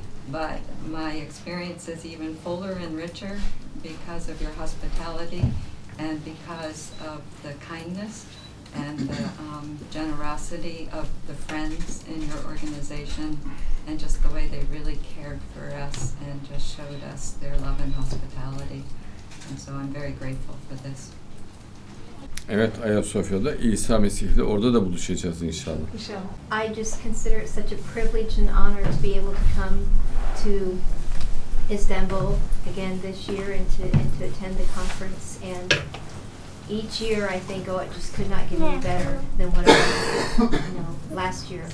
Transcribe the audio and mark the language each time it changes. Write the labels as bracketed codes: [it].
[en] But my experience is even fuller and richer because of your hospitality and because of the kindness and the generosity of the friends in your organization, and just the way they really cared for us and just showed us their love and hospitality. And so I'm very grateful for this. [tr] Evet, Ayasofya'da İsa Mesih'le orada da buluşacağız inşallah. İnşallah. [en] I just consider it such a privilege and honor to be able to come to Istanbul again this year and to attend the conference. And each year I think, oh, it just could not get any better than what I was, last year.